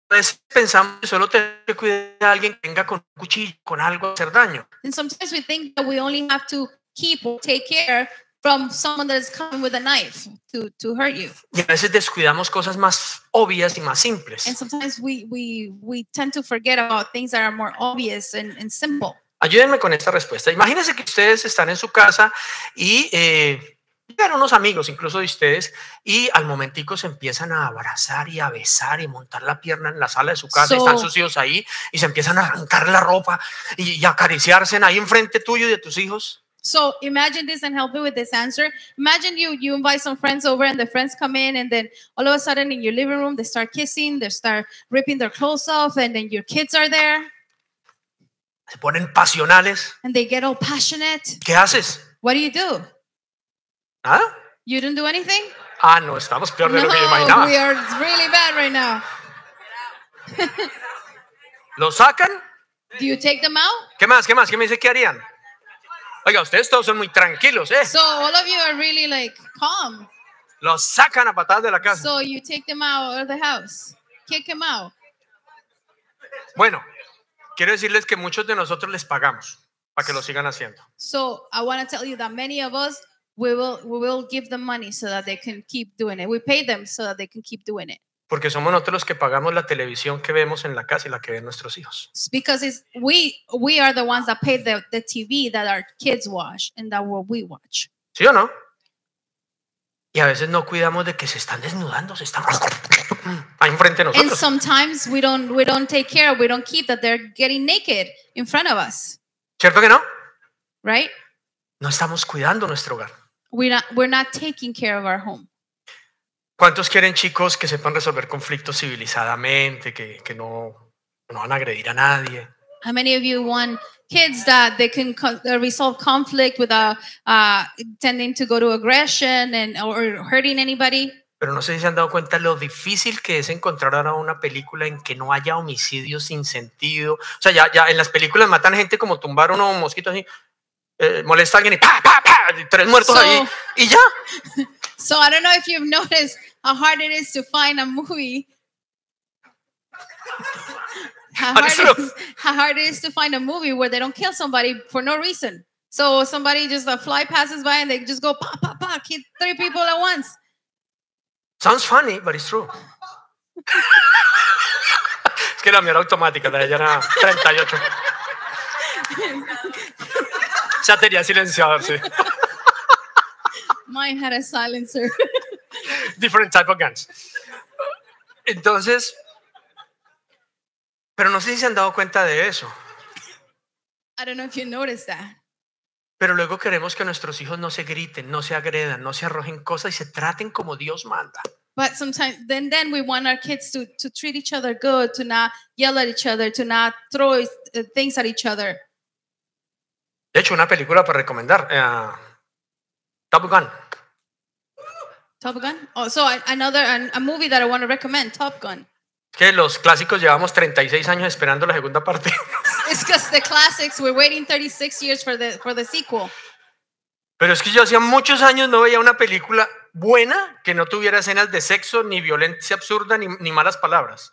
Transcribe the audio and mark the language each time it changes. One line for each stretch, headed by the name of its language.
Spanish: Entonces pensamos que solo tenemos que cuidar a alguien que venga con un cuchillo, con algo a hacer daño.
English: And sometimes we think that we only have to keep or take care from someone that is coming with a knife to hurt you.
Spanish: Y a veces descuidamos cosas más obvias y más simples.
English: And sometimes we tend to forget about things that are more obvious and simple.
Spanish: Ayúdenme con esta respuesta. Imagínense que ustedes están en su casa y llegan unos amigos, incluso de ustedes, y al momentico se empiezan a abrazar y a besar y montar la pierna en la sala de su casa. Están sus hijos ahí y se empiezan a arrancar la ropa y acariciarse ahí enfrente tuyo y de tus hijos.
English: So imagine this and help me with this answer. Imagine you invite some friends over and the friends come in and then all of a sudden in your living room they start kissing, they start ripping their clothes off and then your kids are there.
Spanish: Se ponen pasionales.
English: And they get all passionate.
Spanish: ¿Qué haces?
English: What do you do? ¿Ah? You didn't do anything?
Spanish: Ah, no, estamos peor de lo que yo imaginaba.
English: No, we are really bad right now.
Spanish: ¿Lo sacan?
English: Do you take them out?
Spanish: ¿Qué más? ¿Qué más? ¿Qué me dice que harían? Oiga, ustedes todos son muy tranquilos, ¿eh?
English: So all of you are really like calm.
Spanish: Lo sacan a patadas de la casa.
English: So you take them out of the house. Kick them out.
Spanish: Bueno, quiero decirles que muchos de nosotros les pagamos para que lo sigan haciendo.
English: So I want to tell you that many of us we will give them money so that they can keep doing it. We pay them so that they can keep doing it.
Spanish: Porque somos nosotros los que pagamos la televisión que vemos en la casa y la que ven nuestros hijos.
English: It's because it's we are the ones that pay the TV that our kids watch and that what we watch.
Spanish: ¿Sí o no? Y a veces no cuidamos de que se están desnudando, se están ahí enfrente de nosotros.
English: And sometimes we don't take care, we don't keep that they're getting naked in front of us.
Spanish: ¿Cierto que no?
English: Right?
Spanish: No estamos cuidando nuestro hogar.
English: We're not taking care of our home.
Spanish: ¿Cuántos quieren chicos que sepan resolver conflictos civilizadamente, que no van a agredir a nadie?
English: How many of you want kids that they can resolve conflict without tending to go to aggression and or hurting anybody?
Spanish: Pero no sé si se han dado cuenta lo difícil que es encontrar ahora una película en que no haya homicidios sin sentido. O sea, ya en las películas matan gente como tumbar uno un mosquito así, molesta a alguien y pa pa pa, tres muertos ahí y ya.
English: So I don't know if you've noticed how hard it is to find a movie. How hard it is to find a movie where they don't kill somebody for no reason. So somebody just a fly passes by and they just go pa pa pa, kill three people at once. Sounds funny, but it's true.
Spanish: Es que la mía era automática, la de ella era 38. Ya tenía silenciador, sí.
English: Mine had a silencer. Different type of guns.
Spanish: Entonces, pero no sé si se han dado cuenta de eso.
English: I don't know if you noticed that.
Spanish: Pero luego queremos que nuestros hijos no se griten, no se agredan, no se arrojen cosas y se traten como Dios manda.
English: But sometimes, then we want our kids to treat each other good, to not yell at each other, to not throw things at each other.
Spanish: De hecho, una película para recomendar.
English: Top Gun. Top Gun? Oh, so another a movie that I want to recommend, Top Gun.
Spanish: Que los clásicos llevamos 36 años esperando la segunda parte.
English: It's because the classics, we're waiting 36 years for the sequel.
Spanish: Pero es que yo hacía muchos años no veía una película buena que no tuviera escenas de sexo, ni violencia absurda, ni malas palabras.